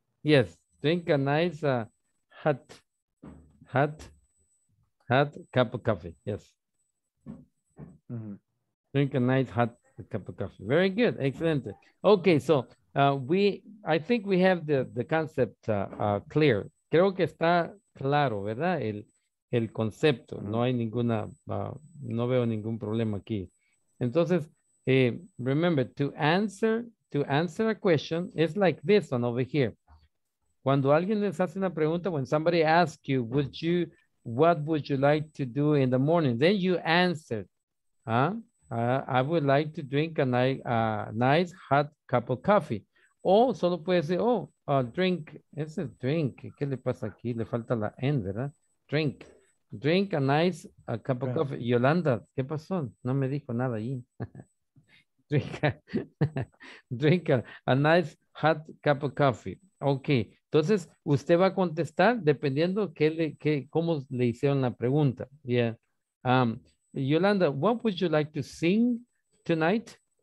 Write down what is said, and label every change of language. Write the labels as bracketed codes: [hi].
[en] Yes. Drink a nice hot cup of coffee. Yes. Mm-hmm. Drink a nice hot cup of coffee. Very good. Excellent. Okay. So I think we have the concept clear. [es] creo que está claro, ¿verdad? El concepto, no hay ninguna, no veo ningún problema aquí. [en] Entonces, remember, to answer a question, it's like this one over here. [es] Cuando alguien les hace una pregunta, [en] when somebody asks you, what would you like to do in the morning? Then you answer, I would like to drink a nice hot cup of coffee. [es] O solo puede decir, drink, ese drink, ¿qué le pasa aquí? Le falta la N, ¿verdad? [en] Drink. Drink a nice a cup of coffee. [es] Yolanda, ¿qué pasó? No me dijo nada allí. [en] drink a nice hot cup of coffee. [es] Ok, entonces usted va a contestar dependiendo cómo le hicieron la pregunta. Yeah. [en] Yolanda, what would you like to sing tonight?